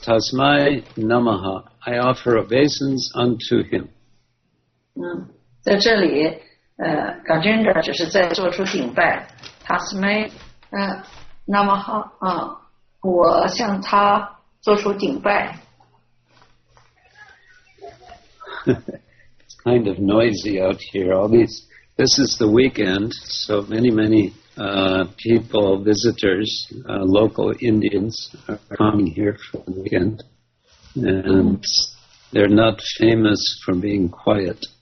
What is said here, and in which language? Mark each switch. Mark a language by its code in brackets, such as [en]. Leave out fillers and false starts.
[en] Tasmai Namaha, I offer obeisance unto him. [zh] 在这里Gajendra 只是在做出顶拜 Tasmai Namaha 我向他做出顶拜。 [en] It's kind of noisy out here. This is the weekend, so many people, visitors, local Indians are coming here for the weekend, and they're not famous for being quiet.